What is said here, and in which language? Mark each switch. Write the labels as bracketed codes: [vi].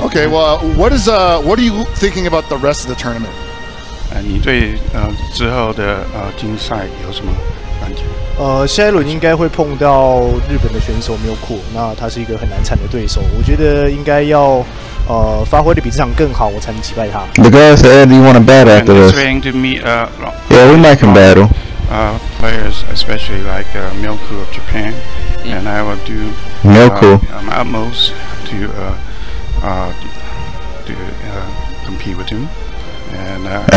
[en] Okay, well, what are you thinking about the rest of the tournament? [zh] 你对之后的竞赛有什么感觉？下一轮应该会碰到日本的选手 Milko， 那他是一个很难缠的对手。我觉得应该要发挥的比这场更好，我才能击败他。 [en] The guy said you want to battle after this. Trying to meet yeah, we might can battle. Players, especially like Milku of Japan, and I will do Milku my utmost to compete with him. And